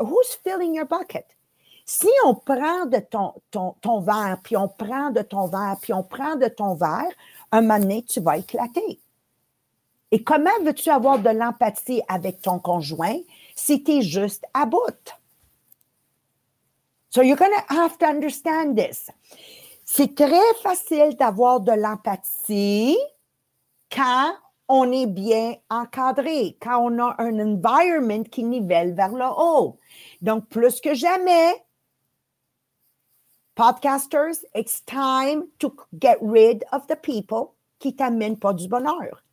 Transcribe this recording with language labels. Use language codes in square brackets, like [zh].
[en] Who's filling your bucket? [fr] Si on prend de ton verre, puis on prend de ton verre, puis on prend de ton verre, un moment donné, tu vas éclater. Et comment veux-tu avoir de l'empathie avec ton conjoint si tu es juste à bout? [en] So you're going to have to understand this. [fr] C'est très facile d'avoir de l'empathie quand on est bien encadré, quand on a un environment qui nivelle vers le haut. Donc, plus que jamais, [en] podcasters, it's time to get rid of the people [fr] qui ne t'amènent pas du bonheur.